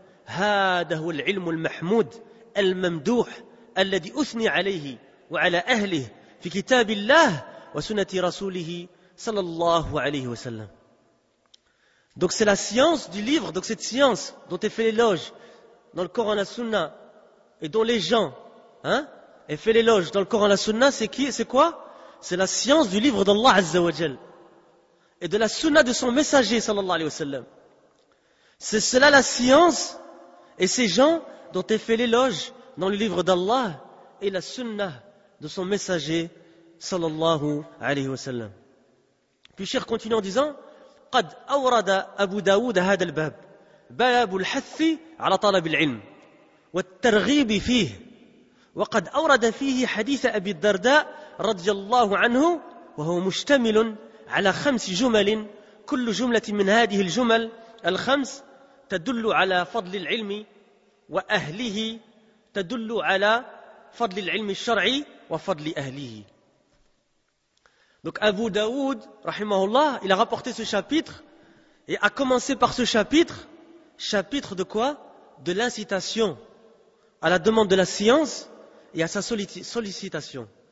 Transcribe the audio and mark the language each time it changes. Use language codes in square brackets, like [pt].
[ar] هذا هو العلم المحمود الممدوح الذي أثني عليه وعلى أهله في كتاب الله وسنة رسوله صلى الله عليه وسلم. [fr] Donc c'est la science du livre, donc cette science dont est fait l'éloge dans le Coran et la Sunna, et dont les gens, est fait l'éloge dans le Coran et la Sunna, c'est quoi? C'est la science du livre d'Allah Azza wa Jal, et de la Sunna de son messager, sallallahu alayhi wa sallam. C'est cela la science, et ces gens dont est fait l'éloge dans le livre d'Allah, et la Sunna de son messager, sallallahu alayhi wa sallam. Puis Cheikh continue en disant, [ar] قد أورد أبو داود هذا الباب باب الحث على طلب العلم والترغيب فيه وقد أورد فيه حديث أبي الدرداء رضي الله عنه وهو مشتمل على خمس جمل كل جملة من هذه الجمل الخمس تدل على فضل العلم وأهله تدل على فضل العلم الشرعي وفضل أهله. [fr] Donc Abu Daoud, rahimahullah, il a rapporté ce chapitre et a commencé par ce chapitre. Chapitre de quoi? De l'incitation à la demande de la science et à sa sollicitation.